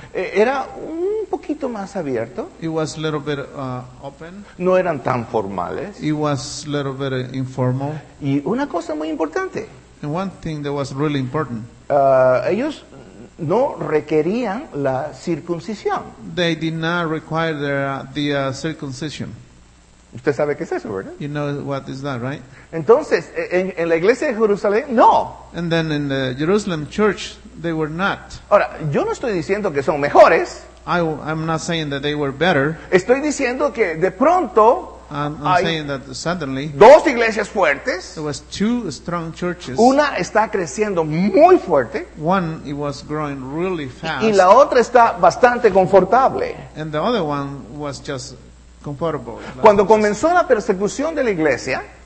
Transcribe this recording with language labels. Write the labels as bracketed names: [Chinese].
[Spanish] Era un poquito más abierto. [English] It was a little bit open. [Spanish] No eran tan formales. [English] It was a little bit informal. [Spanish] Y una cosa muy importante. [English] And one thing that was really important. [Spanish] Ellos no requerían la circuncisión. [English] They did not require the circumcision. [Spanish] Usted sabe qué es eso, ¿verdad? [English] You know what is that, right? [Spanish] Entonces, en la iglesia de Jerusalén, no. [English] And then in the Jerusalem church, they were not. [Spanish] Ahora, yo no estoy diciendo que son mejores. [English] I'm not saying that they were better. [Spanish] Estoy diciendo que de pronto. [English] I'm saying that suddenly. [Spanish] Dos iglesias fuertes. [English] There was two strong churches. [Spanish] Una está creciendo muy fuerte. [English] One it was growing really fast. [Spanish] Y la otra está bastante confortable. [English] And the other one was just comfortable. [Spanish] Cuando comenzó la persecución de la iglesia,